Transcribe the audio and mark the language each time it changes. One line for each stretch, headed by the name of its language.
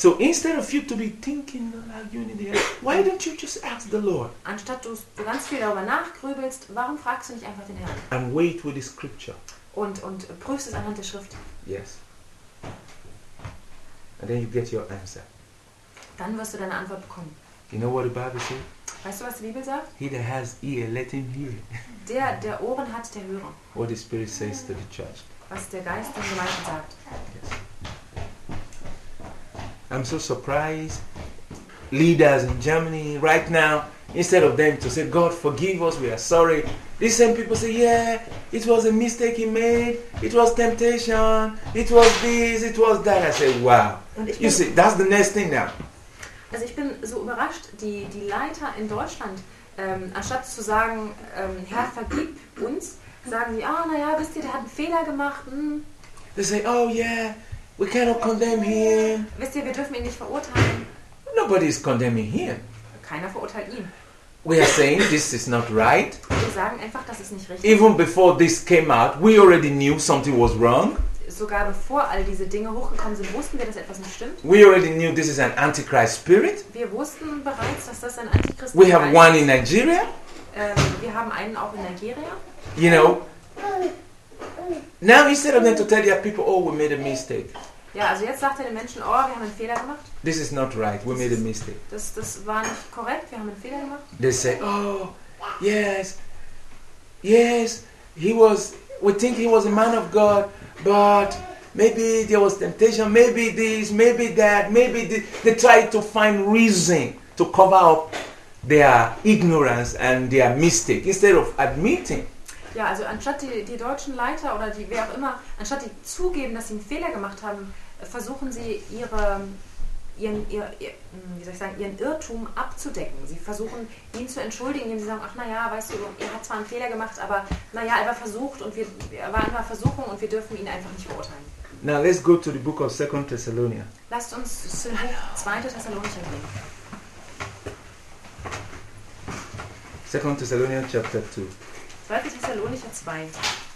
English: So instead of you to be thinking like you in the head, why don't you just ask the Lord?
German: Anstatt du ganz viel darüber nachgrübelst, warum fragst du nicht einfach den Herrn?
English: And wait with the scripture.
German: Und prüfst es anhand der Schrift.
English: Yes. And then you get your answer.
German: dann wirst du deine Antwort bekommen.
English: You know what the Bible says?
German: Weißt du, was die Bibel sagt?
English: He that has ear, let him hear.
German: Der, der Ohren hat, der höre.
English: What the Spirit says to the church.
German: Was der Geist den Gemeinden sagt.
English: Yes. I'm so surprised. Leaders in Germany right now, instead of them to say, God forgive us, we are sorry. These same people say, yeah, it was a mistake he made, it was temptation, it was this, it was that. I say, wow. You see, that's the next thing now.
German: Also ich bin so überrascht, die, die Leiter in Deutschland, anstatt zu sagen, Herr, vergib uns, sagen die, ah, oh, naja, wisst ihr, der hat einen Fehler gemacht. Hm.
English: They say, oh yeah, we cannot condemn him.
German: Wisst ihr, wir dürfen ihn nicht verurteilen.
English: Nobody is condemning him.
German: Keiner verurteilt ihn.
English: We are saying this is not right.
German: Wir sagen einfach, das ist nicht richtig.
English: Even before this came out, we already knew something was wrong.
German: Sogar bevor all diese Dinge hochgekommen sind, wussten wir, dass etwas nicht stimmt.
English: We already knew this is an antichrist spirit.
German: Wir wussten bereits, dass das ein Antichrist ist.
English: We have one in Nigeria.
German: Wir haben einen auch in Nigeria.
English: You know. Now instead of them to tell their people, oh, we made a mistake.
German: Ja, also jetzt sagt er den Menschen, oh, wir haben einen Fehler gemacht.
English: This is not right. We made a mistake.
German: Das war nicht korrekt. Wir haben einen Fehler gemacht.
English: They say, oh, yes, yes, he was. We think he was a man of God, but maybe there was temptation. Maybe this, maybe that, maybe this. They try to find reason to cover up their ignorance and their mistake instead of admitting.
German: Ja, also anstatt die deutschen Leiter oder die wer auch immer, anstatt die zugeben, dass sie einen Fehler gemacht haben, versuchen sie ihren Irrtum abzudecken. Sie versuchen, ihn zu entschuldigen, indem sie sagen, ach naja, weißt du, er hat zwar einen Fehler gemacht, aber naja, er war versucht und er war in einer Versuchung und wir dürfen ihn einfach nicht verurteilen.
English: Now let's go to the book of 2 Thessalonians.
German: Lasst uns zu 2. Thessalonicher gehen.
English: 2 Thessalonians chapter 2.
German: 2. Thessalonicher 2.